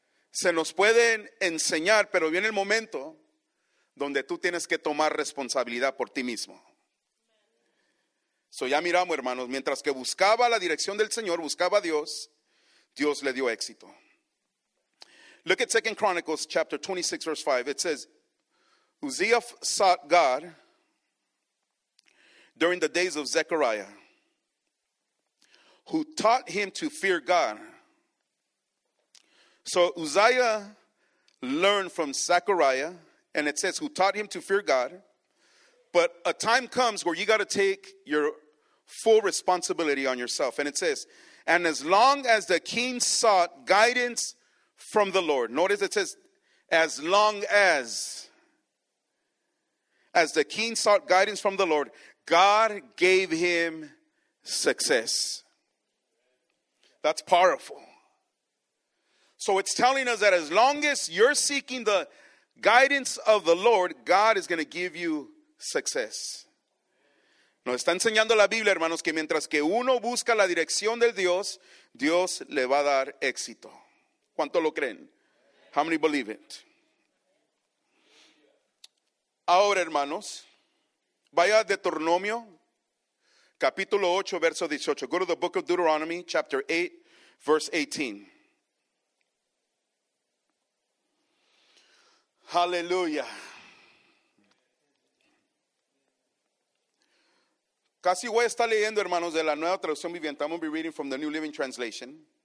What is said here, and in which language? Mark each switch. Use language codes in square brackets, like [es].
[es] Se nos pueden enseñar, pero viene el momento donde tú tienes que tomar responsabilidad por ti mismo. So ya miramos, hermanos, mientras que buscaba la dirección del Señor, buscaba a Dios, Dios le dio éxito. [en] Look at 2 Chronicles chapter 26 verse 5. It says, Uzziah sought God during the days of Zechariah, who taught him to fear God. So Uzziah learned from Zechariah, and it says, who taught him to fear God. But a time comes where you got to take your full responsibility on yourself. And it says, and as long as the king sought guidance from the Lord. Notice it says, as long as the king sought guidance from the Lord, God gave him success. That's powerful. So it's telling us that as long as you're seeking the guidance of the Lord, God is going to give you success. [es] Nos está enseñando la Biblia, hermanos, que mientras que uno busca la dirección del Dios, Dios le va a dar éxito. ¿Cuánto lo creen? [en] How many believe it? [es] Ahora, hermanos, vaya a Deuteronomio, capítulo 8, verso 18. [en] Go to the book of Deuteronomy, chapter 8, verse 18. Hallelujah. [es] Casi voy a estar leyendo, hermanos, de la nueva traducción viviente. [en] I'm going to be reading from the New Living Translation.